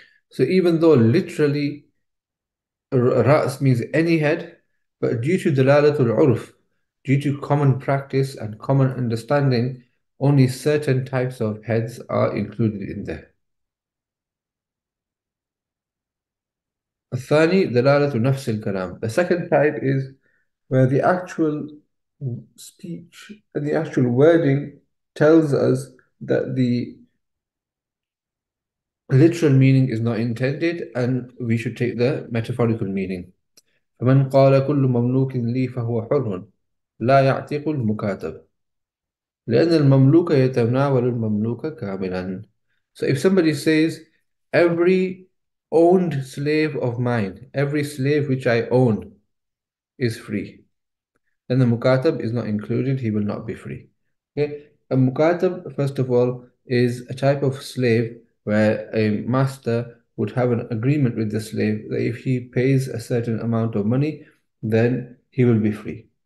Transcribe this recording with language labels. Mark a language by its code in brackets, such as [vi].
[en] So even though literally ra's means any head, but due to dalalatul urf, due to common practice and common understanding, only certain types of heads are included in there. [ar] الثاني دلالة نفس الكلام. [en] The second type is where the actual speech and the actual wording tells us that the literal meaning is not intended and we should take the metaphorical meaning. [ar] فمن قال كل مملوك لي فهو حر لا يعتق المكاتب لأن المملوك يتناول المملوك كاملا. [en] So if somebody says every owned slave of mine, every slave which I own is free, then the mukatab is not included, he will not be free. Okay, a mukatab, first of all, is a type of slave where a master would have an agreement with the slave that if he pays a certain amount of money, then he will be free.